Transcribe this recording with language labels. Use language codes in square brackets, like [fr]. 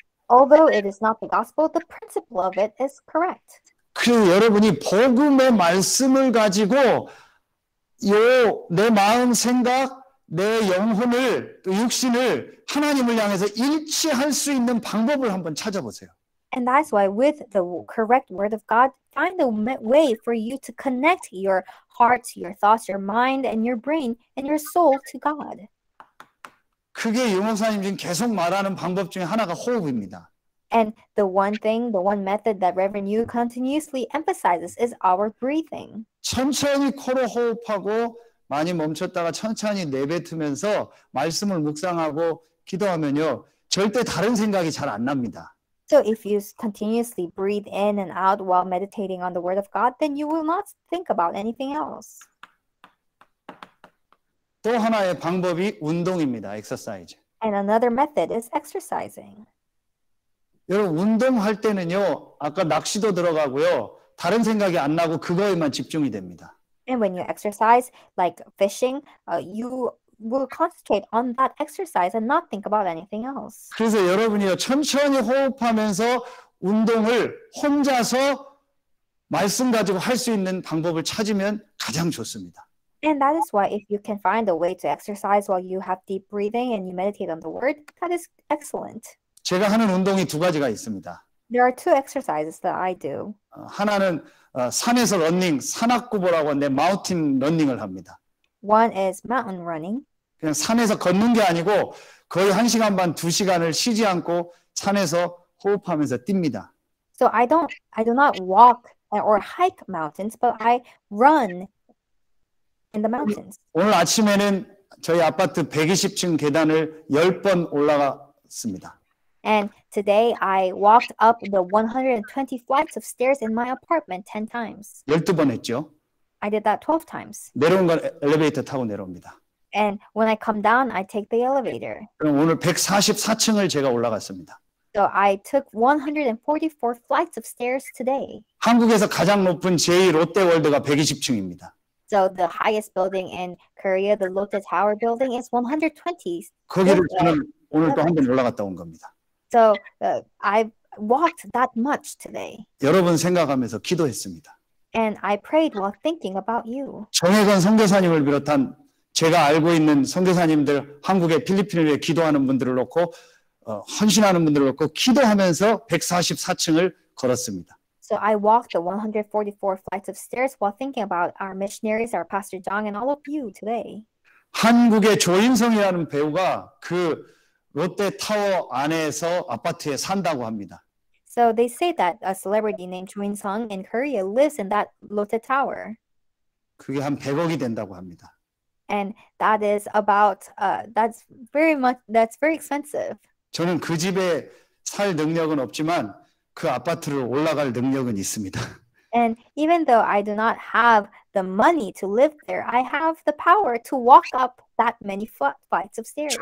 [en] Although it is not the gospel, the principle of it is correct. [ko] 그리고 여러분이 복음의 말씀을 가지고 요 내 마음 생각 내 영혼을 또 육신을 하나님을 향해서 일치할 수 있는 방법을 한번 찾아보세요. [en] And that's why with the correct word of God, find a way for you to connect your heart, your thoughts, your mind, and your brain, and your soul to God. [ko] 그게 유목사님 지금 계속 말하는 방법 중에 하나가 호흡입니다. [en] And the one thing, the one method that Reverend Yu continuously emphasizes is our breathing. [ko] 천천히 코로 호흡하고 많이 멈췄다가 천천히 내뱉으면서 말씀을 묵상하고 기도하면요. 절대 다른 생각이 잘 안 납니다. [en] So if you continuously breathe in and out while meditating on the word of God, then you will not think about anything else. [ko] 또 하나의 방법이 운동입니다. [en] Exercise. And another method is exercising. [ko] 여러분 운동할 때는요. 아까 낚시도 들어가고요. 다른 생각이 안 나고 그거에만 집중이 됩니다. [en] And when you exercise like fishing, you will concentrate on that exercise and not think about anything else. [ko] 그래서 여러분이요 천천히 호흡하면서 운동을 혼자서 말씀 가지고 할 수 있는 방법을 찾으면 가장 좋습니다. [en] And that is why if you can find a way to exercise while you have deep breathing and you meditate on the word, that is excellent. [ko] 제가 하는 운동이 두 가지가 있습니다. [en] There are two exercises that I do. [ko] 하나는 산에서 러닝, 산악구보라고 하는데 마운틴 러닝을 합니다. [en] One is mountain running. [ko] 그냥 산에서 걷는 게 아니고 거의 한 시간 반, 두 시간을 쉬지 않고 산에서 호흡하면서 뜁니다. [en] So I do not walk or hike mountains, but I run in the mountains. [ko] 오늘 아침에는 저희 아파트 120층 계단을 10번 올라갔습니다. [en] And today I walked up the 120 flights of stairs in my apartment 10 times. [ko] 12번 했죠. [en] I did that 12 times. [ko] 내려온 건 엘리베이터 타고 내려옵니다. [en] And when I come down, I take the elevator. [ko] 그럼 오늘 144층을 제가 올라갔습니다. [en] So I took 144 flights of stairs today. [ko] 한국에서 가장 높은 제2롯데월드가 120층입니다. [en] So the highest building in Korea, the Lotte Tower building, is 120. [ko] 거기를 저는 오늘 또 한 번 올라갔다 온 겁니다. [en] So I walked that much today. [ko] 여러분 생각하면서 기도했습니다. [en] And I prayed while thinking about you. [ko] 정혜건 선교사님을 비롯한 제가 알고 있는 선교사님들, 한국에 필리핀에 기도하는 분들을 놓고 헌신하는 분들을 놓고 기도하면서 144층을 걸었습니다. [en] So I walked the 144 flights of stairs while thinking about our missionaries, our Pastor Jong, and all of you today. [ko] 한국의 조인성이라는 배우가 그 롯데 타워 안에서 아파트에 산다고 합니다. [en] So they say that a celebrity named Jo In-sung in Korea lives in that Lotte Tower. [ko] 그게 한 100억이 된다고 합니다. [en] And that is about that's very much that's very expensive. [ko] 저는 그 집에 살 능력은 없지만 그 아파트를 올라갈 능력은 있습니다. [en] And even though I do not have the money to live there, I have the power to walk up that many flights of stairs.